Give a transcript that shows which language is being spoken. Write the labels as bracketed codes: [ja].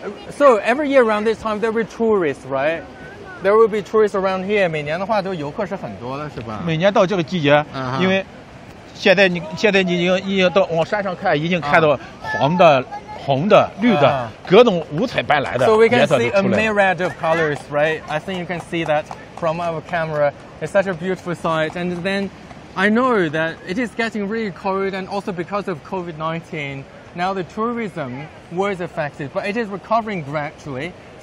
[en] So every year around this time, there will be tourists, right? There will be tourists around here. [zh] 每年的话都游客是很多的，是吧？每年到这个季节，因为现在你已经到往山上看，已经看到黄的、红的、绿的，各种五彩斑斓的。 [en] So we can see a myriad of colors, right? I think you can see that from our camera. It's such a beautiful sight. And then I know that it is getting really cold, and also because of COVID-19. Now the tourism was affected, but it is recovering gradually.